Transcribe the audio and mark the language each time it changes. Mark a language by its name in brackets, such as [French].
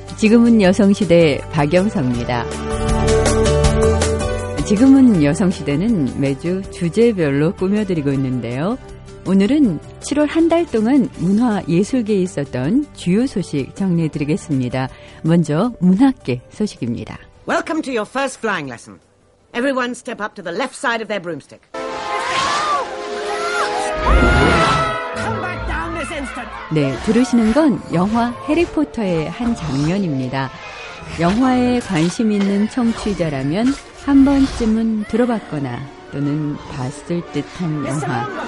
[Korean] 지금은 여성시대 박영서입니다. 지금은 여성시대는 매주 주제별로 꾸며드리고 있는데요. 오늘은 7월 한 달 동안 문화예술계에 있었던 주요 소식 정리해드리겠습니다. 먼저 문학계 소식입니다. [English] Welcome to your first flying lesson. Everyone step up to the left side of their broomstick. Come back down this instant. [Korean] 네, 들으시는 건 영화 해리포터의 한 장면입니다. 영화에 관심 있는 청취자라면 한 번쯤은 들어봤거나 또는 봤을 듯한 영화.